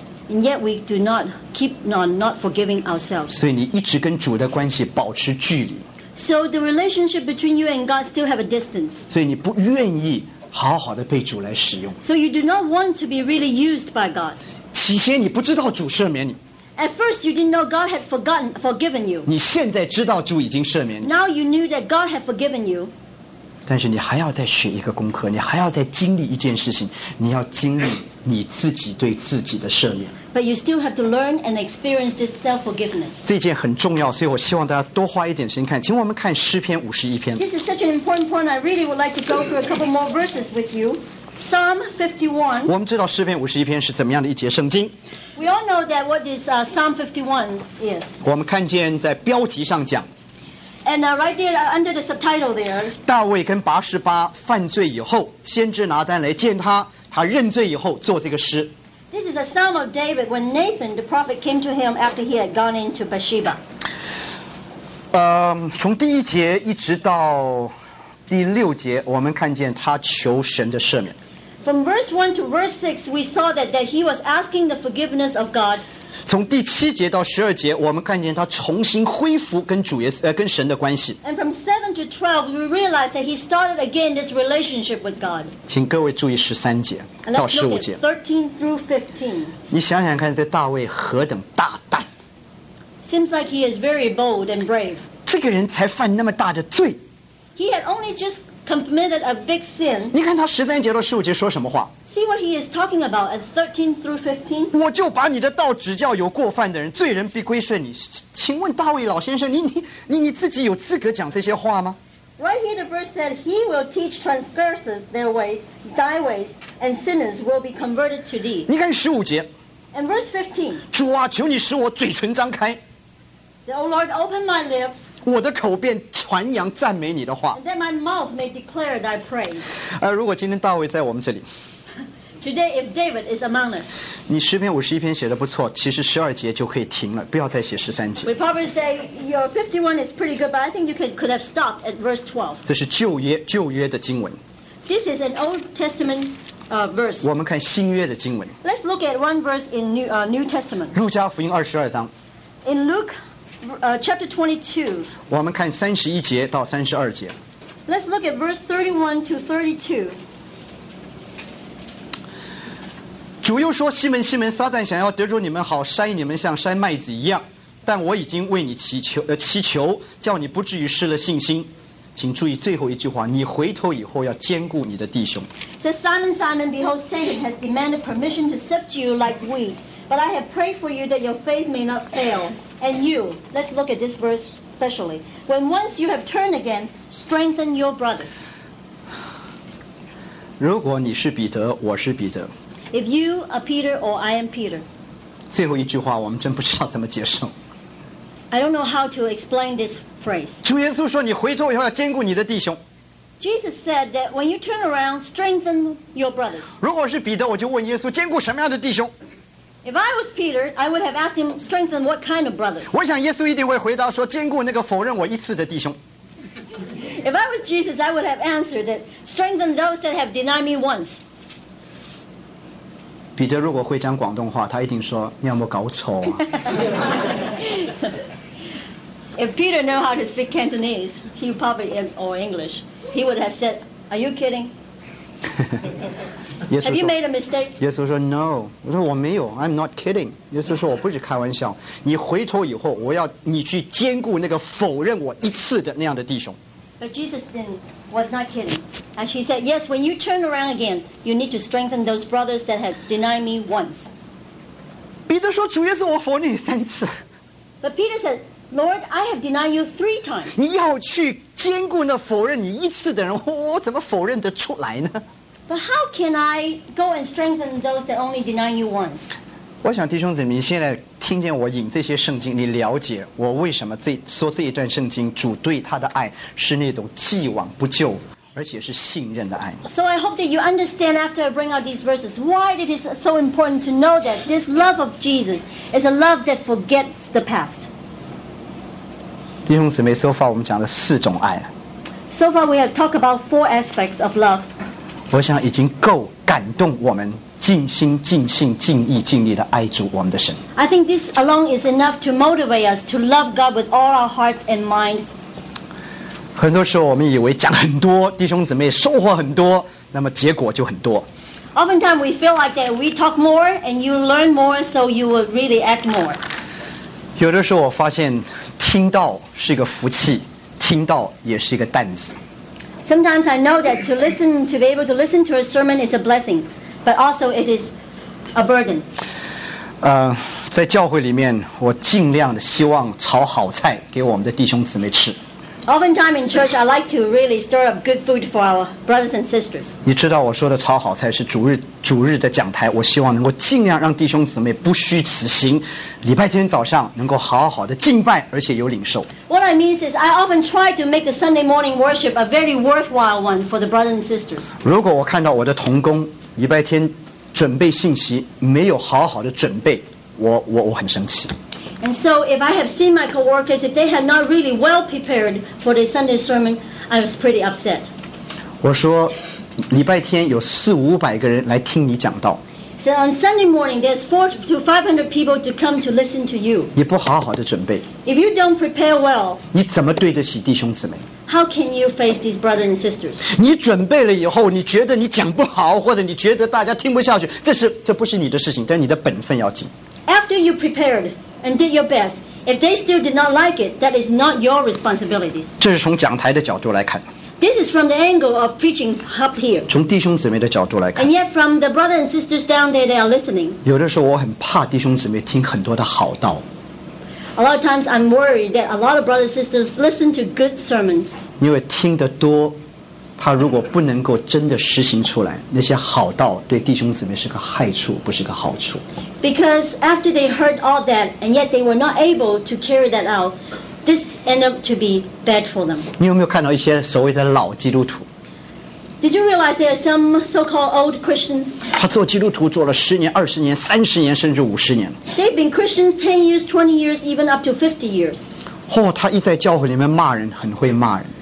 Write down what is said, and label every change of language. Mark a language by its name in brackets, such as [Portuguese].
[English] And yet we do not keep on not forgiving ourselves. [Chinese] 所以你一直跟主的关系保持距离。 [English] So the relationship between you and God still have a distance. [Chinese] 所以你不愿意好好的被主来使用。 [English] So you do not want to be really used by God. [Chinese] 起先你不知道主赦免你。 [English] At first, you didn't know God had forgiven you. [Chinese] 你现在知道主已经赦免你。 [English] Now you knew that God had forgiven you. [Chinese] 但是你还要再学一个功课，你还要再经历一件事情，你要经历你自己对自己的赦免。 [English] But you still have to learn and experience this self-forgiveness. [Chinese] 这件很重要，所以我希望大家多花一点时间看。请我们看诗篇五十一篇。 [English] This is such an important point. I really would like to go through a couple more verses with you. Psalm 51. [Chinese] 我们知道诗篇五十一篇是怎么样的一节圣经。 [English] We all know that what is Psalm 51 is. [Chinese] 我们看见在标题上讲。 [English] And right there under the subtitle there. [Chinese] 大卫跟拔示巴犯罪以后，先知拿单来见他，他认罪以后做这个诗。 [English] This is a Psalm of David when Nathan the prophet came to him after he had gone into Bathsheba. [Chinese] 从第一节一直到第六节，我们看见他求神的赦免。 [English] From verse 1 to verse 6, we saw that he was asking the forgiveness of God. [Chinese] 从第七节到十二节，我们看见他重新恢复跟主耶稣跟神的关系。 [English] And from 7 to 12, we realized that he started again this relationship with God. [Chinese] 请各位注意十三节到十五节。 [English] And let's look at 13 through 15. [Chinese] 你想想看，这大卫何等大胆。 [English] Seems like he is very bold and brave. [Chinese] 这个人才犯那么大的罪。 [English] He had only just committed a big sin. [Chinese] 你看他十三节到十五节说什么话？ [English] See what he is talking about at 13 through 15. [Chinese] 我就把你的道指教有过犯的人，罪人必归顺你。请问大卫老先生，你自己有资格讲这些话吗？ [English] Right here, the verse said, "He will teach transgressors their ways, thy ways, and sinners will be converted to thee." [Chinese] 你看十五节。 [English] And verse 15. [Chinese] 主啊，求你使我嘴唇张开。 [English] The O Lord, open my lips. [Chinese] 我的口便传扬赞美你的话。 [English] And then my mouth may declare thy praise. [Chinese] 如果今天大卫在我们这里 [English] ，Today if David is among us， [Chinese] 你诗篇五十一篇写的不错，其实十二节就可以停了，不要再写十三节。 [English] We probably say your 51 is pretty good, but I think you could have stopped at verse 12. [Chinese] 这是旧约的经文。 [English] This is an Old Testament verse. [Chinese] 我们看新约的经文。 [English] Let's look at one verse in New Testament. [Chinese] 路加福音二十二章。 [English] In Luke. Chapter 22. [Chinese] 我们看三十一节到三十二节。 [English] Let's look at verse 31 to 32. [Chinese] 主又说：“西门，西门，撒旦想要得着你们，好筛你们，像筛麦子一样。但我已经为你祈求，叫你不至于失了信心。请注意最后一句话：你回头以后要坚固你的弟兄。” [English] Says Simon, Simon, behold, Satan has demanded permission to sift you like wheat, but I have prayed for you that your faith may not fail. And you, let's look at this verse specially. When once you have turned again, strengthen your brothers. [Chinese] 如果你是彼得，我是彼得。 [English] If you are Peter or I am Peter. [Chinese] 最后一句话我们真不知道怎么接受。 [English] I don't know how to explain this phrase. [Chinese] 主耶稣说你回头以后要坚固你的弟兄。 [English] Jesus said that when you turn around, strengthen your brothers. [Chinese] 如果是彼得，我就问耶稣坚固什么样的弟兄。 [English] If I was Peter, I would have asked him, strengthen what kind of brothers? [Chinese] 我想耶稣一定会回答说，坚固那个否认我一次的弟兄。 [English] If I was Jesus, I would have answered it. Strengthen those that have denied me once. [Chinese] 彼得如果会讲广东话，他一定说：“你有没有搞错啊？” [English] If Peter knew how to speak Cantonese, he probably or English, he would have said, "Are you kidding?" Have you made a mistake? [Chinese] 耶稣说 "No." 我说我没有 ， [English] I'm not kidding. [Chinese] 耶稣说我不是开玩笑。你回头以后，我要你去兼顾那个否认我一次的那样的弟兄。 [English] But Jesus was not kidding, and she said, "Yes, when you turn around again, you need to strengthen those brothers that have denied me once." [Chinese] 彼得说主耶稣，我否认你三次。 [English] But Peter said. Lord, I have denied you three times. [Chinese] 你要去兼顾那否认你一次的人，我怎么否认得出来呢？ [English] But how can I go and strengthen those that only deny you once? [Chinese] 我想弟兄姊妹，你现在听见我引这些圣经，你了解我为什么说这一段圣经，主对他的爱是那种既往不咎，而且是信任的爱。 [English] So I hope that you understand after I bring out these verses why it is so important to know that this love of Jesus is a love that forgets the past. [Chinese] 弟兄姊妹 ， [English] so far [Chinese] 我们讲了四种爱。 [English] So far we have talked about four aspects of love. [Chinese] 我想已经够感动我们尽心、尽性、尽意、尽力的爱主我们的神。 [English] I think this alone is enough to motivate us to love God with all our heart and mind. [Chinese] 很多时候我们以为讲很多，弟兄姊妹收获很多，那么结果就很多。 [English] Oftentimes we feel like that we talk more and you learn more, so you will really act more. [Chinese] 有的时候我发现。听到是一个福气，听到也是一个担子。 [English] Sometimes I know that to be able to listen to a sermon is a blessing, but also it is a burden. [Chinese] 在教会里面，我尽量的希望炒好菜给我们的弟兄姊妹吃。 [English] Oftentimes in church, I like to really stir up good food for our brothers and sisters. [Chinese] 你知道我说的炒好菜是主日的讲台，我希望能够尽量让弟兄姊妹不虚此行，礼拜天早上能够好好的敬拜，而且有领受。 [English] What I mean is, I often try to make the Sunday morning worship a very worthwhile one for the brothers and sisters. [Chinese] 如果我看到我的同工礼拜天准备信息没有好好的准备，我很生气。 [English] And so, if I have seen my coworkers, if they have not really well prepared for the Sunday sermon, I was pretty upset. [Chinese] 我说，礼拜天有四五百个人来听你讲道。 [English] So on Sunday morning, there's 400 to 500 people to come to listen to you. [Chinese] 你不好好的准备。 [English] If you don't prepare well, [Chinese] 你怎么对得起弟兄姊妹？ [English] How can you face these brothers and sisters? [Chinese] 你准备了以后，你觉得你讲不好，或者你觉得大家听不下去，这不是你的事情，但你的本分要紧。 [English] After you prepared and did your best, if they still did not like it, that is not your responsibility. [Chinese] 这是从讲台的角度来看。 [English] This is from the angle of preaching up here. [Chinese] 从弟兄姊妹的角度来看。 [English] And yet, from the brothers and sisters down there, they are listening. [Chinese] 有的时候我很怕弟兄姊妹听很多的好道。 [English] A lot of times I'm worried that a lot of brothers and sisters listen to good sermons. [Chinese] 因为听得多，他如果不能够真的实行出来，那些好道对弟兄姊妹是个害处，不是个好处。 [English] Because after they heard all that, and yet they were not able to carry that out, this ended up to be bad for them. [Chinese] 你有没有看到一些所谓的老基督徒？ [English] Did you realize there are some so-called old Christians? [Chinese] 他做基督徒做了十年、二十年、三十年，甚至五十年。 [English] They've been Christians 10 years, 20 years, even up to 50 years. [Chinese] 哦，他一在教会里面骂人，很会骂人。